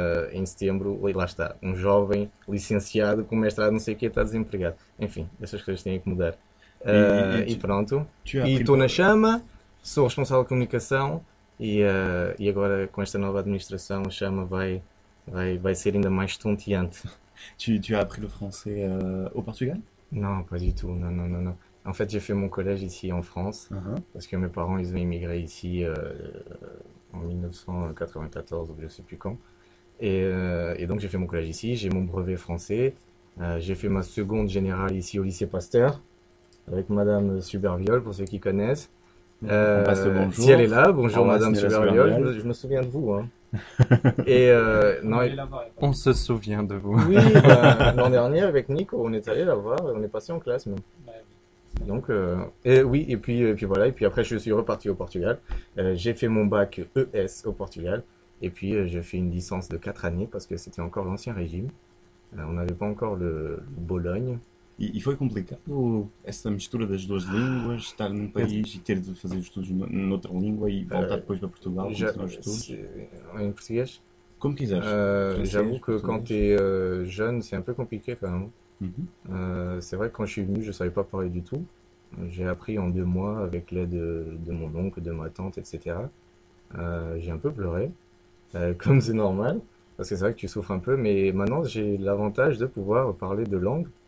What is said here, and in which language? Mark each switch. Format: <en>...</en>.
<pt>em setembro, lá está, um jovem licenciado com mestrado, não sei o que, está desempregado. Enfim, essas coisas têm que mudar. E pronto. E estou na chama, sou responsável de comunicação e agora com esta nova administração a chama vai ser ainda mais estonteante.</pt> <fr>Tu as appris le français au Portugal? Non, pas du tout. Non. En fait, j'ai fait mon collège ici en France parce que mes parents ils ont immigré ici en 1994 ou je sais plus quand. Et donc j'ai fait mon collège ici, j'ai mon brevet français, j'ai fait ma seconde générale ici au lycée Pasteur avec Madame Superviol pour ceux qui connaissent. Bonjour. Si elle est là, bonjour Madame Superviol. Je me souviens de vous. Hein. Et on se souvient de vous. Oui, l'an dernier avec Nico, on est allé la voir, on est passé en classe même. Donc, et puis voilà, et puis après je suis reparti au Portugal. J'ai fait mon bac ES au Portugal, et puis j'ai fait une licence de 4 années parce que c'était encore l'ancien régime. On n'avait pas encore le Bologne.</fr> <pt>E foi complicado essa mistura das duas línguas, estar num país e ter de fazer os estudos noutra língua e voltar depois para Portugal para fazer os estudos? Em português? Como quiseres.</pt> <fr>J'avoue que quand t'es jeune, c'est un peu compliqué quand même. C'est vrai que quand je suis venu, je ne savais pas parler du tout. J'ai appris en 2 mois avec l'aide de mon oncle, de ma tante, etc. J'ai un peu pleuré, comme c'est normal, parce que c'est vrai que tu souffres un peu, mais maintenant j'ai l'avantage de pouvoir parler de langue.</fr>